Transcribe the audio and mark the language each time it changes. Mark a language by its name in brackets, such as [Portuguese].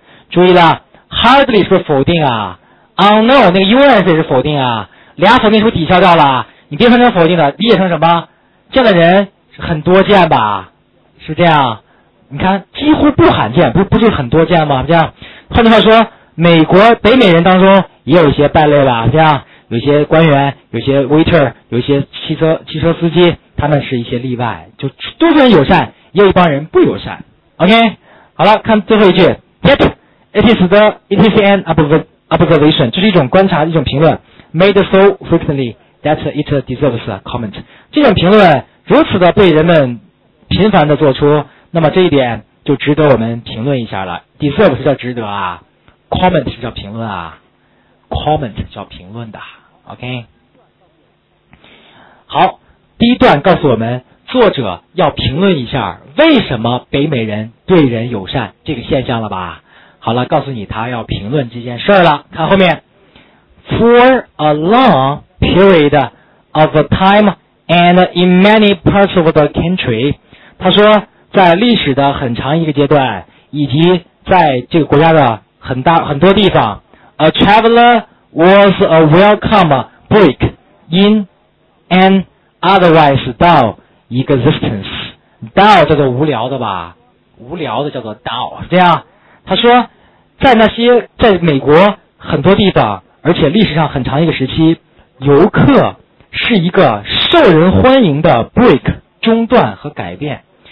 [Chinese] 注意了 hardly 是否定啊， unknown 那个 US 也是否定啊，俩否定是不是抵消掉了，你变成否定的理解成什么，见的人很多见吧，是这样，你看几乎不罕见，不就是很多见吗，这样换句话说美国北美人当中也有一些败类吧，这样有些官员，有些 waiter， 有些汽车司机，他们是一些例外，就多数人友善，也有一帮人不友善。 [English] OK， [Chinese] 好了，看最后一句 [English] ，Yet it is the it is an observation， [Chinese] 就是一种观察，一种评论 [English] ，made so frequently that it deserves a comment。 [Chinese] 这种评论如此的被人们频繁的做出，那么这一点就值得我们评论一下了。 Deserve 是叫值得啊 ，comment 是叫评论啊。 comment 叫评论的 ，OK。好，第一段告诉我们，作者要评论一下为什么北美人对人友善这个现象了吧？好了，告诉你他要评论这件事儿了。看后面 ， [English] For a long period of time and in many parts of the country， [Chinese] 他说在历史的很长一个阶段，以及在这个国家的很多地方。 [English] A traveler was a welcome break in an otherwise dull existence. [Chinese] Dull 叫做无聊的吧，无聊的叫做 dull， 这样他说在那些在美国很多地方，而且历史上很长一个时期，游客是一个受人欢迎的 break， 中断和改变。